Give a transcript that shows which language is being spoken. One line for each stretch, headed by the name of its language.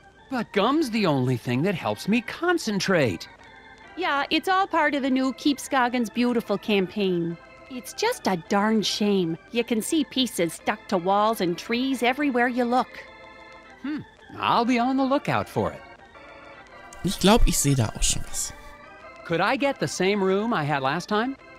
English: But gum's the only thing that helps me concentrate. Yeah, it's all part of the new Keep Scoggins Beautiful campaign. It's just a darn shame. You can see pieces stuck to walls and trees everywhere you look. I'll be on the lookout for it.
German: Ich glaube, ich sehe da auch schon was.
English: Could I get the same room I had last time?